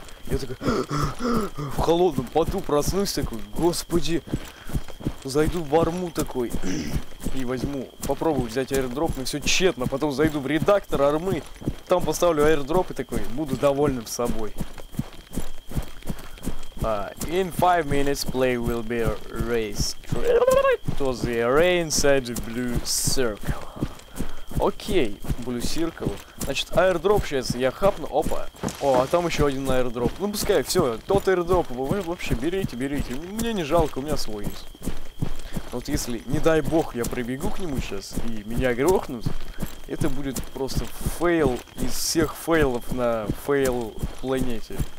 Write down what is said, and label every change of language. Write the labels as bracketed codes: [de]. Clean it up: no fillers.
[ru] Я такой в холодном поту проснусь, такой, господи, зайду в арму такой и возьму, попробую взять аирдроп, но все тщетно, потом зайду в редактор армы, там поставлю аирдроп и такой, буду довольным собой. [en] In 5 minutes play will be raised to the array inside the blue circle. [ru] Окей, Blue Circle. Значит, аирдроп сейчас я хапну, опа. О, а там еще один аирдроп. Ну, пускай, все, тот аирдроп, вы вообще берите. Мне не жалко, у меня свой есть. Вот если, не дай бог, я прибегу к нему сейчас, и меня грохнут, это будет просто фейл из всех фейлов на фейл-планете.